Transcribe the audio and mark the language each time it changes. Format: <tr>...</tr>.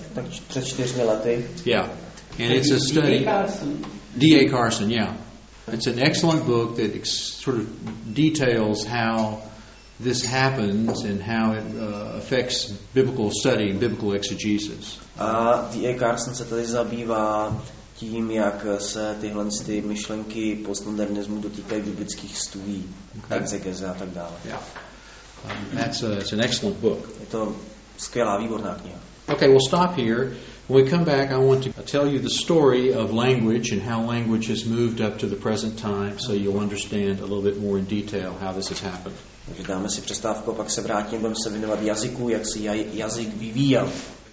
<cs>Tak před 4 lety.</cs> <en>Yeah. And it's a study. D.A. Carson, yeah. It's an excellent book that sort of details how this happens and how it affects biblical study and biblical exegesis.</en> <cs>A D.A. Carson se tady zabývá tím, jak se tyhle ty myšlenky postmodernismu dotýkají biblických studií, exegeze a tak dále.</cs> <en>That's an excellent book.</en> <cs>Je to skvělá, výborná kniha.</cs> <en>Okay, we'll stop here. When we come back, I want to tell you the story of language and how language has moved up to the present time, so you'll understand a little bit more in detail how this has happened.</en> <cs>Dáme si přestávku, pak se vrátím, budeme se věnovat jazyku, jak se jazyk vyvíjel.</cs>